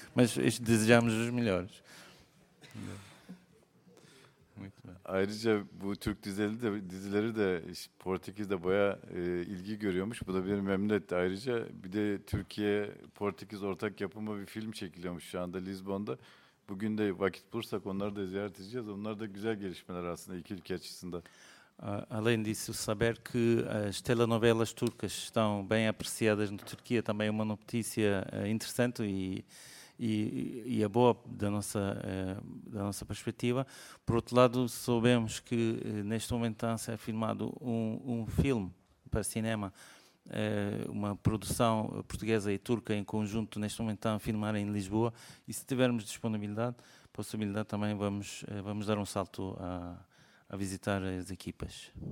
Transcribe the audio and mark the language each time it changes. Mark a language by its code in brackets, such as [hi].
[pt] Mas desejamos os melhores. Muito bem. [tr] Ayrıca bu Türk dizileri de Portekiz'de bayağı ilgi görüyormuş. Bu da beni memnun etti. Ayrıca bir de Türkiye-Portekiz ortak yapımı bir film çekiliyormuş şu anda Lizbon'da. Bugün de vakit bulursak onları da ziyaret edeceğiz. Onlar da güzel gelişmeler aslında iki ülke açısından. [pt] Além disso, saber que as telenovelas turcas estão bem apreciadas na Turquia também é uma notícia interessante e é boa da nossa perspectiva. Por outro lado, soubemos que neste momento está a ser filmado um filme para cinema, uma produção portuguesa e turca em conjunto, neste momento está a filmar em Lisboa, e se tivermos disponibilidade, possibilidade, também vamos dar um salto a visitar as equipas.